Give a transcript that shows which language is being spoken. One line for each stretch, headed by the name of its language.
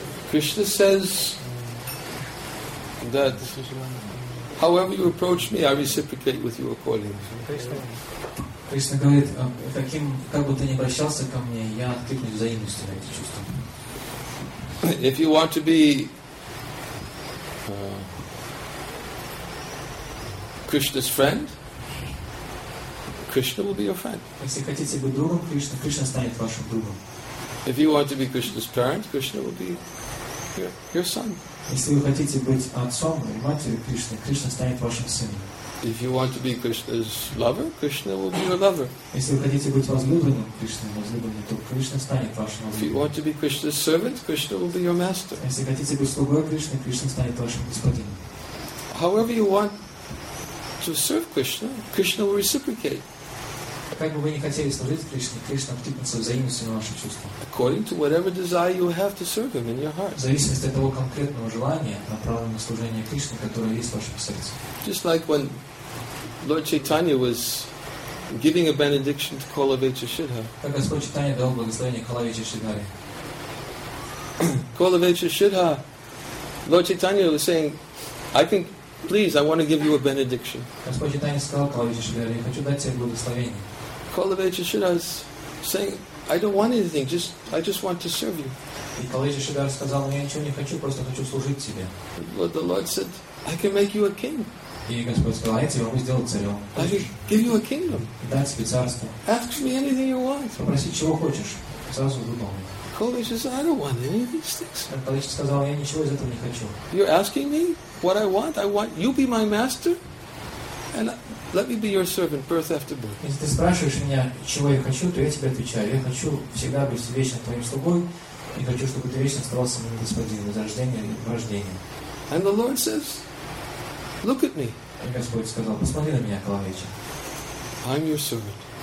English: Krishna says that however you approach me, I reciprocate with you accordingly.
Russian: Krishna говорит, таким, как бы ты ни обращался ко мне, я откликнусь взаимностью на эти чувства.
English: If you want to be Krishna's friend, Krishna will be your friend.
Russian: Если хотите быть другом Кришны, Кришна станет вашим другом.
English: If you want to be Krishna's parent, Krishna will be your son.
Russian: Если вы хотите быть отцом или матерью Кришны, Кришна станет вашим сыном.
English: If you want to be Krishna's lover, Krishna will be your lover.
Russian: Если вы хотите быть возлюбленным Кришны, возлюбленным, то Кришна станет вашим слугой.
English: If you want to be Krishna's servant, Krishna will be your master.
Russian: Если хотите быть слугой Кришны, Кришна станет вашим господином.
English: However you want to serve Krishna, Krishna will reciprocate.
Russian: Как бы вы не хотели служить Кришне, Кришна откликнется взаимностью на ваши чувства.
English: According to whatever desire you have to serve Him in your heart.
Russian: В зависимости от того конкретного желания, направленного на служение Кришне, которое есть в вашем сердце.
English: Just like when Lord Chaitanya was giving a benediction to Kalavecha Shridhar.
Russian: Как Господь Чайтанья дал благословение Калавече Шридхаре.
English: Kalavecha Shridhar, Lord Chaitanya was saying, I think, please, I want to give you a benediction.
Russian: Господь Чайтанья сказал Калавече Шридхаре, я хочу дать тебе благословение.
English: Kalavecha Shridhar is saying, I don't want anything, I just want to serve you.
Russian: И Калавече Шридхар сказал, я ничего не хочу, просто хочу служить тебе.
English: But the Lord said, I can make you a king.
Russian: И Господь сказал, я тебе могу сделать царем.
English: I can give you a kingdom.
Russian: Дать тебе царство.
English: Ask me anything you want.
Russian: Попроси чего хочешь. Сразу выполни.
English: Kalavecha said, I don't want any of these things.
Russian: Калавече сказал, я ничего из этого не хочу.
English: You're asking me what I want? I want you be my master? And let me be your servant, birth after birth.
Russian: Если ты спрашиваешь меня, чего я хочу, то я тебе отвечаю. Я хочу всегда быть вечно твоим слугой, и хочу, чтобы ты вечно оставался моим господином, из рождения и в рождение.
English: And the Lord says, look at me.
Russian: И Господь сказал, посмотри на меня, Калавеча.
English: I'm your servant.